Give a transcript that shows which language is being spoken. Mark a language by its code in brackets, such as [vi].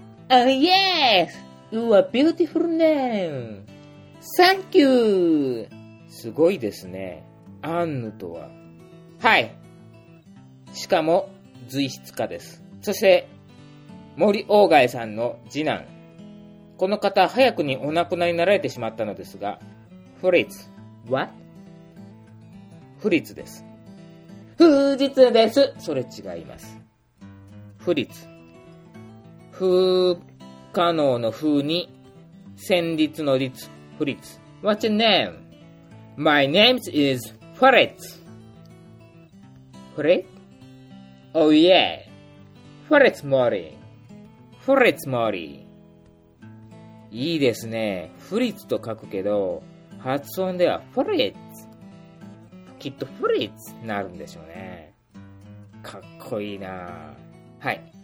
[en] Oh yes, you are beautiful name. Thank you. [ja] すごいですね、アンヌとは。はい、しかも随筆家です。そして森鴎外さんの次男、この方早くにお亡くなりになられてしまったのですが、フリッツ。 [en] What? [ja] フリッツです。フリッツです。それ違います。フリッツ、不可能の風に旋律の律、フリッツ。 [en] What's your name? My name is フリッツ。 [ja] フリッツ。 [en] Oh yeah, [ja] フリッツモーリー。フリッツモーリー、いいですね。フリッツと書くけど、発音ではフリッツ。きっとフリッツになるんでしょうね。かっこいいな。はい。